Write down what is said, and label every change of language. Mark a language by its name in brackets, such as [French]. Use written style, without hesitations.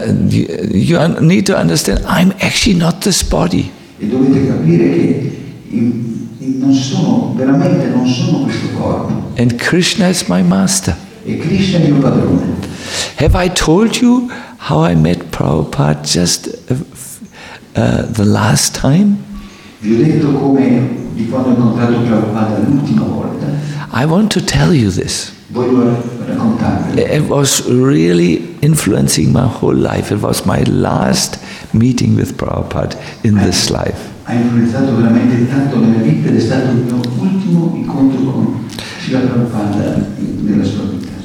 [English] You need to understand, I'm actually not this body. [Italian] E dovete capire che non sono, veramente non sono questo corpo. [English] And Krishna is my master. [Italian] E Krishna è il mio padrone. [English] Have I told you how I met Prabhupada just the last time? [Italian] Vi ho detto come di quando ho incontrato Prabhupada l'ultima volta. [English] I want to tell you this. [Italian] Voglio raccontarvi. [English] It was really influencing my whole life. It was my last meeting with Prabhupada in this life. [Italian] Ha influenzato veramente tanto la mia vita ed è stato il mio ultimo incontro con Srila Prabhupada nella sua vita.